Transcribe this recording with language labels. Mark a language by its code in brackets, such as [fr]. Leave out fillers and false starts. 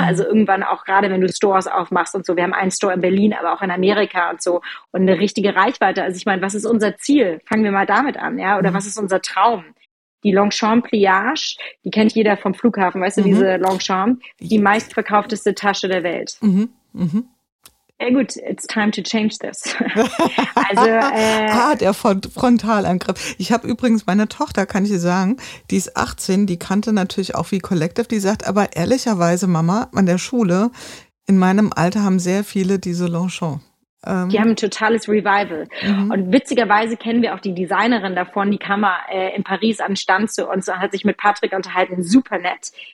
[de] Also irgendwann auch gerade, wenn du Stores aufmachst und so. Wir haben einen Store in Berlin, aber auch in Amerika und so. Und eine richtige Reichweite. Also ich meine, was ist unser Ziel? Fangen wir mal damit an. Ja? Oder was ist unser Traum? Die Longchamp-Pliage, die kennt jeder vom Flughafen, weißt du, diese Longchamp, die meistverkaufteste Tasche der Welt. Mhm. Ja gut, [en] it's time to change this. [de] Der Frontalangriff. Ich habe übrigens, meine Tochter, kann ich dir sagen, die ist 18, die kannte natürlich auch wie Collective, die sagt, aber ehrlicherweise, Mama, an der Schule, in meinem Alter haben sehr viele diese Longchamp. Die haben ein totales Revival. Mhm. Und witzigerweise kennen wir auch die Designerin davon, die kam mal in Paris an den Stand zu uns und hat sich mit Patrick unterhalten, super nett.